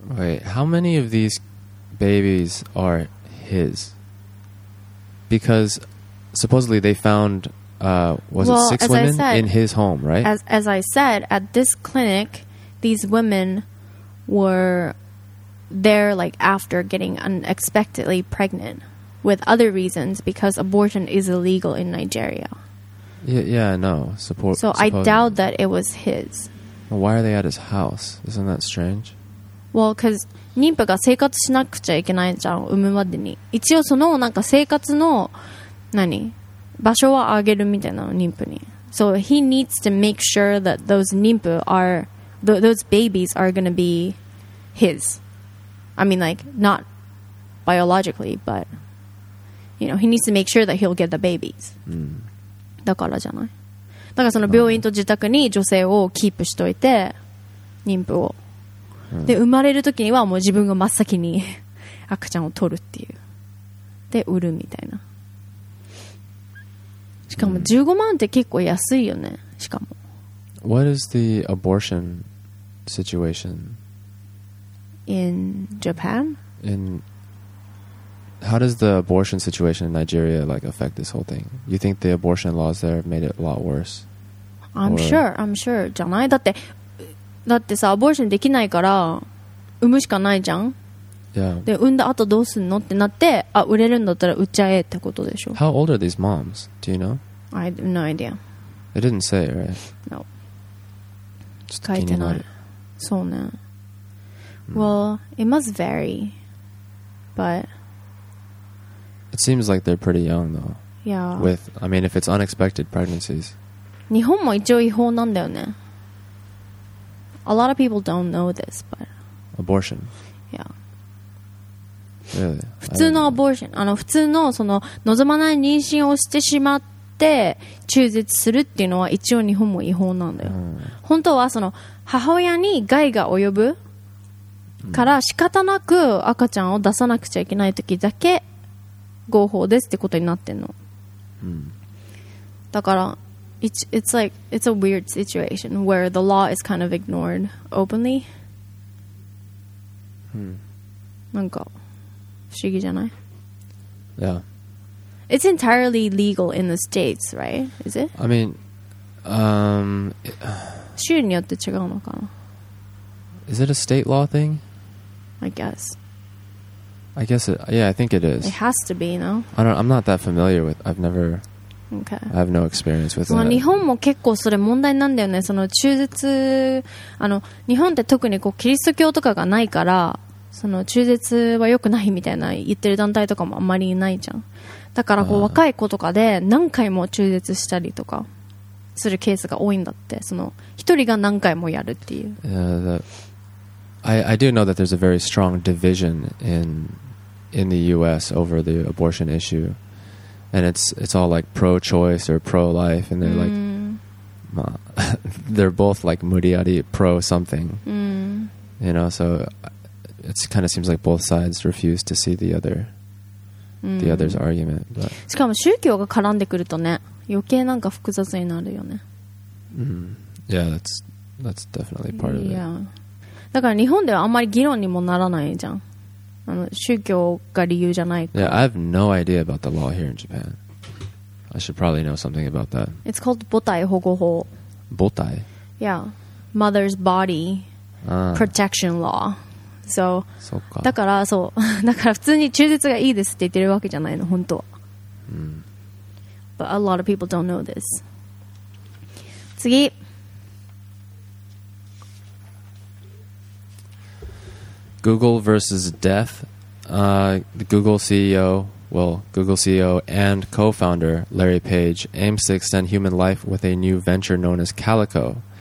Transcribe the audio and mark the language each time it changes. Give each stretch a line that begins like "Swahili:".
English: Wait, how many of these babies are his? Because supposedly they found was well, it six women said, in his home, right? As I said, at this clinic, these women were there like after getting unexpectedly pregnant with other reasons because abortion is illegal in Nigeria. Yeah, no. So I doubt that it was his. Well, why are they at his house? Isn't that strange? Well, because
Japanese: 妊婦が生活しなくちゃいけないじゃん、産むまでに。一応そのなんか生活の何場所はあげるみたいなの、妊婦に。
English: So he needs to make sure that those 妊婦 are those babies are gonna be his. I mean, like not biologically, but you know, he needs to make sure that he'll get the babies.、 Mm.
Japanese: だからじゃない。だからその病院と自宅に女性をキープしといて、妊婦を。で生まれる時にはもう自分が真っ先に赤ちゃんを取るっていうで売るみたいな。しかも15万って結構安いよね。しかも
English: What is the abortion situation in Japan? In how does the abortion situation in Nigeria like affect this whole thing? You think the abortion laws there made it a lot worse? I'm sure
Japanese: じゃない。だってさ、アボーションできないから産むしかないじゃん。
English: Yeah.
Japanese: で産んだ後どうすんのってなって、あ売れるんだったら売っちゃえってことでしょ。
English: How old are these moms? Do you know? I have no idea. They didn't say it, right? No.
Japanese: 書いてない。そうね。
English: Well, it must vary. But it seems like they're pretty young though. Yeah. With, I mean, if it's unexpected pregnancies.
Japanese: 日本も一応違法なんだよね。
English: A lot of people don't know this, but abortion. Yeah. Really?
Japanese: 普通のアボーション、あの普通のその望まない妊娠をしてしまって中絶するっていうのは一応日本も違法なんだよ。本当はその母親に害が及ぶから仕方なく赤ちゃんを出さなくちゃいけない時だけ合法ですってことになってんの。だから
English: It's like it's a weird situation where the law is kind of ignored openly.
Japanese: なんか不思議じゃない?
English: Yeah. It's entirely legal in the States, right? Is it? I mean,
Japanese: 州によって違うのかな?
English: Is it a state law thing? I guess it, yeah, I think it is. It has to be, no? I'm not that familiar with. I've never Okay. I have no experience with that.
Japanese: 日本も結構それ問題なんだよね。その中絶、あの日本って特にこうキリスト教とかがないから、その中絶は良くないみたいな言ってる団体とかもあんまりいないじゃん。だからこう若い子とかで何回も中絶したりとかするケースが多いんだって。その一人が何回もやるっていう。
English: I do know that there's a very strong division in the U.S. over the abortion issue. And it's all like pro-choice or pro-life, and they're like, they're both like
Japanese: 無理やり
English: pro-something, you know. So it kind of seems like both sides refuse to see the other's argument. But
Japanese: しかも宗教が絡んでくるとね、余計なんか複雑になるよね。
English: Yeah, that's definitely part of it. Yeah,
Japanese: だから日本ではあんまり議論にもならないじゃん。あの宗教が理由じゃないか。
English: Yeah, I have no idea about the law here in Japan. I should probably know something about that. It's called 母体保護法。
Japanese: 母体?
English: Yeah, mother's body protection law. So,
Japanese: そっか。だから普通に中絶がいいですって言ってるわけじゃないの、本当は。
English: But a lot of people don't know this.
Japanese: 次。
English: Google versus death. The Google CEO, well, Google CEO and co-founder Larry Page aims to extend human life with a new venture known as Calico,